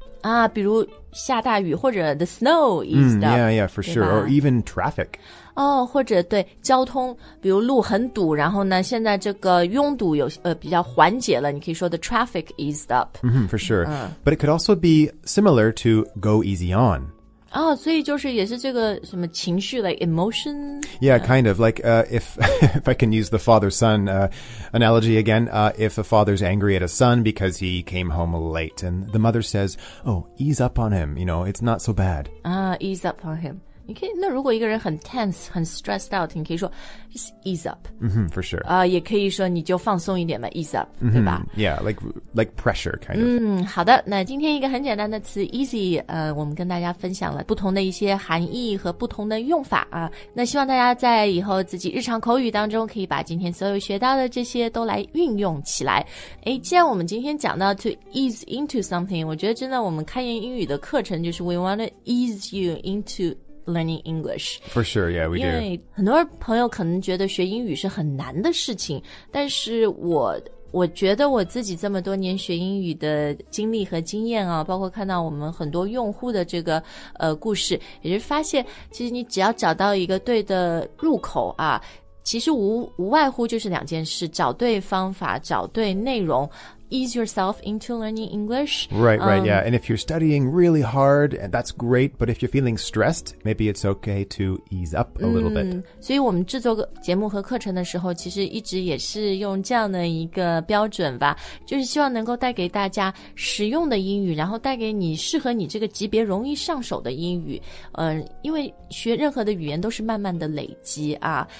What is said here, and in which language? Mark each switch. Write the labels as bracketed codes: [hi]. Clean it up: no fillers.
[zh] 啊，比如下大雨或者 [en] the snow eased up. Yeah, yeah, for sure. Or even traffic. [zh] 哦，或者对交通，比如路很堵，然后呢，现在这个拥堵有比较缓解了，你可以说 [en] the traffic eased up. Mm-hmm, for sure. But it could also be similar to go easy on. [zh] 哦，所以就是也是这个什么情绪 [en] like emotion. Yeah, kind of like if I can use the father son analogy again. If a father's angry at a son because he came home late, and the mother says, "Oh, ease up on him. You know, it's not so bad." Ease up on him. [zh] 你可以那如果一个人很 tense, 很 stressed out, 你可以说 [en] just ease up. Mm-hmm, for sure. [zh] 也可以说你就放松一点嘛 ,ease up, mm-hmm, 对吧 [en] ?Yeah, like pressure, kind of. [zh] 好的那今天一个很简单的词 ,easy, 我们跟大家分享了不同的一些含义和不同的用法啊。那希望大家在以后自己日常口语当中可以把今天所有学到的这些都来运用起来。诶既然我们今天讲到 to ease into something, 我觉得真的我们开言英语的课程就是 [en] we want to ease you intolearning English. For sure, yeah, we do. [zh] 因为很多朋友可能觉得学英语是很难的事情，但是我觉得我自己这么多年学英语的经历和经验啊，包括看到我们很多用户的这个故事，也是发现其实你只要找到一个对的入口啊，其实无外乎就是两件事，找对方法，找对内容。 [en] Ease yourself into learning English. Right, right, yeah. And if you're studying really hard, that's great. But if you're feeling stressed, maybe it's okay to ease up a little bit. [zh] 所以我们制作节目和课程的时候，其实一直也是用这样的一个标准吧，就是希望能够带给大家实用的英语，然后带给你适合你这个级别容易上手的英语。因为学任何的语言都是慢慢的累积啊。